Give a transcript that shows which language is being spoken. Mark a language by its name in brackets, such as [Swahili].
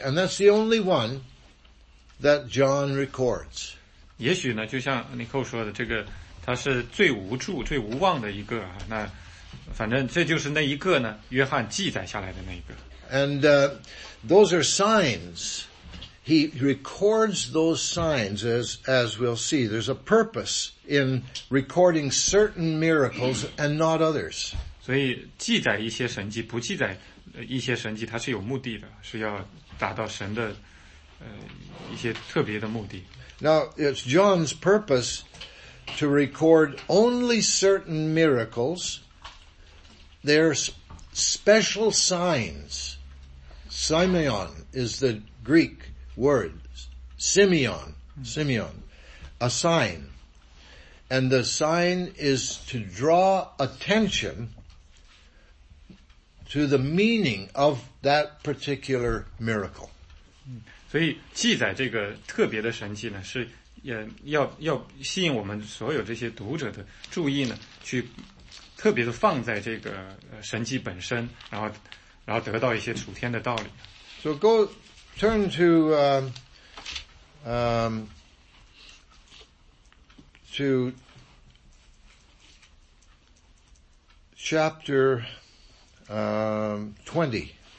[English] And that's the only one that John records. [Chinese] 也许呢，就像 Nicole 说的，这个他是最无助、最无望的一个啊。那反正这就是那一个呢，约翰记载下来的那一个。 [English] And those are signs. He records those signs as we'll see. There's a purpose in recording certain miracles and not others. [Chinese] 所以记载一些神迹，不记载一些神迹，它是有目的的，是要达到神的一些特别的目的。 [English] Now, it's John's purpose to record only certain miracles. They're special signs. Simeon is the Greek word. Simeon. A sign. And the sign is to draw attention to the meaning of that particular miracle. [Chinese] 所以记载这个特别的神迹呢，是要吸引我们所有这些读者的注意呢，去特别的放在这个神迹本身，然后得到一些楚天的道理。 [English] So go turn to to chapter 20。